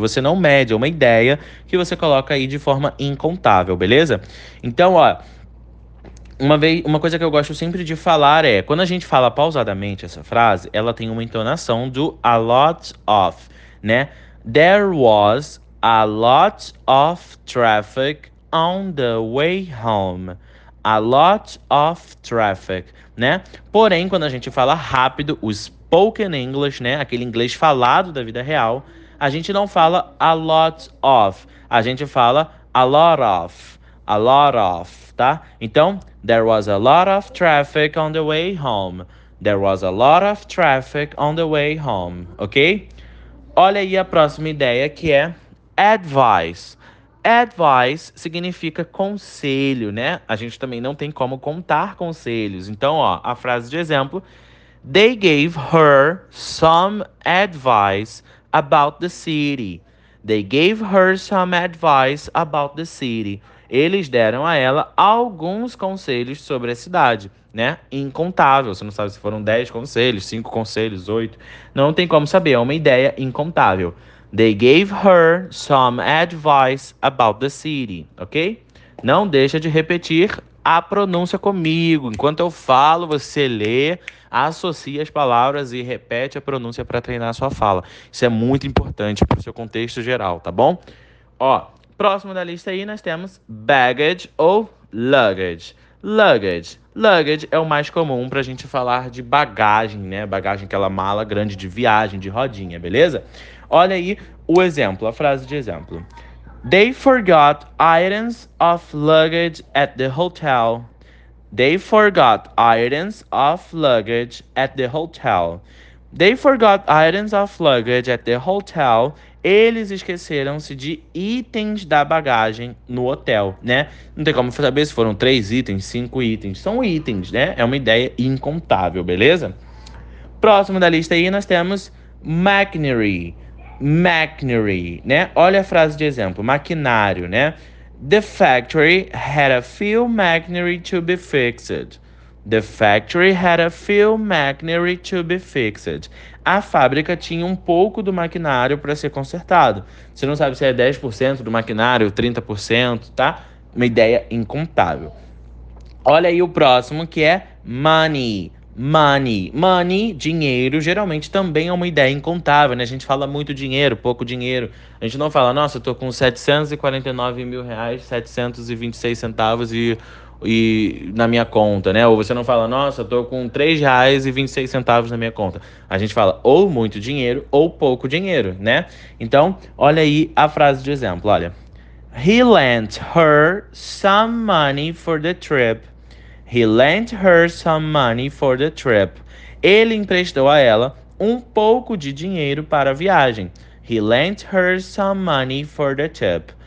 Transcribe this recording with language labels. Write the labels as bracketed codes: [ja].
[pt] Você não mede, é uma ideia que você coloca aí de forma incontável, beleza? Então, ó, uma coisa que eu gosto sempre de falar é: quando a gente fala pausadamente essa frase, ela tem uma entonação do a lot of, né? [en] There was a lot of traffic on the way home. A lot of traffic, né? [pt] Porém, quando a gente fala rápido, o spoken English, né? Aquele inglês falado da vida real, a gente não fala a lot of, a gente fala a lot of, tá? [en] Então, there was a lot of traffic on the way home. There was a lot of traffic on the way home, ok? [pt] Olha aí a próxima ideia que é [en] Advice. [pt] Advice significa conselho, né? A gente também não tem como contar conselhos. Então, ó, a frase de exemplo: [en] They gave her some advice about the city. They gave her some advice about the city. [pt] Eles deram a ela alguns conselhos sobre a cidade, né? Incontável. Você não sabe se foram 10 conselhos, 5 conselhos, 8. Não tem como saber. É uma ideia incontável. [en] They gave her some advice about the city, ok? [pt] Não deixa de repetir a pronúncia comigo. Enquanto eu falo, você lê, associa as palavras e repete a pronúncia para treinar a sua fala. Isso é muito importante para o seu contexto geral, tá bom? Ó, próximo da lista aí nós temos baggage ou luggage. Luggage. Luggage é o mais comum para a gente falar de bagagem, né? Bagagem, aquela mala grande de viagem, de rodinha, beleza? Olha aí o exemplo, a frase de exemplo. [en] They forgot items of luggage at the hotel. They forgot items of luggage at the hotel. They forgot items of luggage at the hotel. [pt] Eles esqueceram-se de itens da bagagem no hotel, né? Não tem como saber se foram 3 itens, 5 itens. São itens, né? É uma ideia incontável, beleza? Próximo da lista aí nós temos machinery. Machinery, né? Olha a frase de exemplo, maquinário, né? [en] The factory had a few machinery to be fixed. The factory had a few machinery to be fixed. [pt] A fábrica tinha um pouco do maquinário para ser consertado. Você não sabe se é 10% do maquinário, 30%, tá? Uma ideia incontável. Olha aí o próximo, que é money. Money, money, dinheiro, geralmente também é uma ideia incontável, né? A gente fala muito dinheiro, pouco dinheiro. A gente não fala, nossa, eu tô com 749 mil reais, 726 centavos e na minha conta, né? Ou você não fala, nossa, eu tô com 3 reais e 26 centavos na minha conta. A gente fala ou muito dinheiro ou pouco dinheiro, né? Então, olha aí a frase de exemplo, olha. [en] He lent her some money for the trip. He lent her some money for the trip. [pt] Ele emprestou a ela um pouco de dinheiro para a viagem. [en] He lent her some money for the trip.